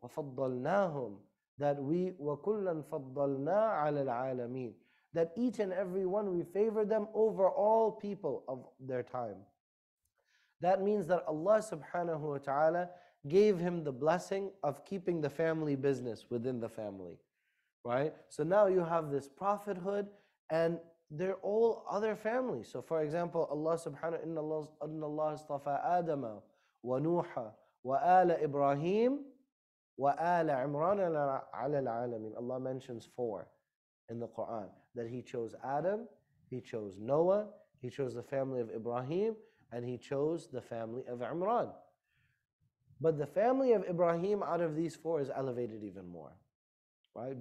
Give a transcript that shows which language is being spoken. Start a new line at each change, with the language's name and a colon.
Arabic: وَفَضَّلْنَاهُمْ,
English: that we,
Arabic: وَكُلًّا فَضَّلْنَا عَلَى الْعَالَمِينَ,
English: that each and every one, we favor them over all people of their time. That means that Allah subhanahu wa ta'ala gave him the blessing of keeping the family business within the family, right? So now you have this prophethood and they're all other families. So for example, Allah subhanahu wa ta'ala,
Arabic: إِنَّ اللَّهَ اصْطَفَى آدَمَ وَنُوحَ وَآلَ إِبْرَاهِيمَ وَآلَ عِمْرَانَ عَلَى الْعَالَمِينَ.
English: Allah mentions four in the Quran, that he chose Adam, he chose Noah, he chose the family of Ibrahim, and he chose the family of Imran. But the family of Ibrahim out of these four is elevated even more, right?